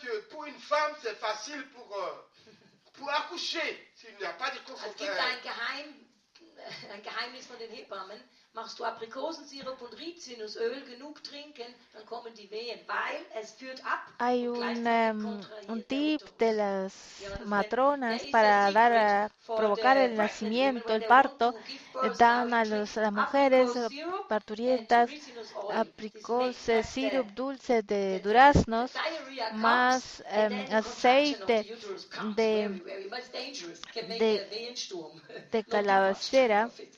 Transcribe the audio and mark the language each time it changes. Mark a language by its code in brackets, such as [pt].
[fr] Pour une femme, c'est facile pour accoucher, s'il n'y a pas de [de] consentement. Es gibt ein Geheimnis von den Hebammen. Machst du Aprikosensirup und Rizinusöl genug trinken, dann kommen die Wehen, weil es führt ab. [es] Hay un tip de las matronas para dar a provocar el nacimiento, el parto. Dan a las mujeres parturientas aprikosensirup dulce de duraznos, más aceite de calabacera.